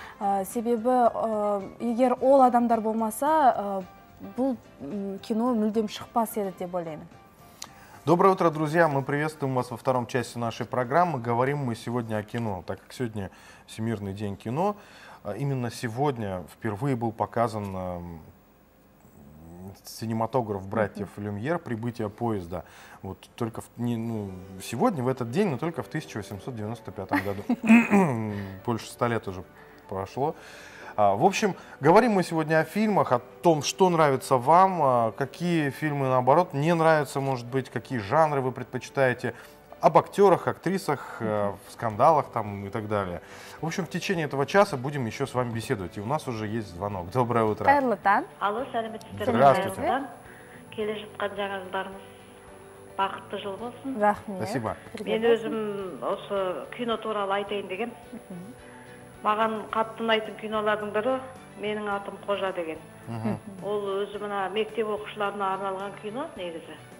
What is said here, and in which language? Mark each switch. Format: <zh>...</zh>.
<kk>Себебі, егер ол адамдар болмаса, бұл кино мүлдем шықпас еді деп ойлаймын.</kk> <ru>Доброе утро, друзья! Мы приветствуем вас во втором части нашей программы. Говорим мы сегодня о кино, так как сегодня Всемирный день кино. Именно сегодня впервые был показан синематограф братьев Люмьер «Прибытие поезда». Вот только в, не, ну, сегодня, в этот день, но только в 1895 году. Больше 100 лет уже прошло. В общем, говорим мы сегодня о фильмах, о том, что нравится вам, какие фильмы, наоборот, не нравятся, может быть, какие жанры вы предпочитаете, об актерах, актрисах, в скандалах там и так далее. В общем, в течение этого часа будем еще с вами беседовать. И у нас уже есть звонок. Доброе утро. Алло,</ru> <kk>саламатсыздар.</kk> <ru>Здравствуйте.</ru> <kk>Келе жатқан жаңалықтарыңыз. Бақытты жыл болсын. Рахмет.</kk> <ru>Спасибо.</ru> <kk>Мен өзім осы кино туралы айтайын деген. Маған қаттын айтын кинолардың бірі менің атым Қожа деген. Ол өзі мына мектеп оқушыларына арналған кино негізі.</kk>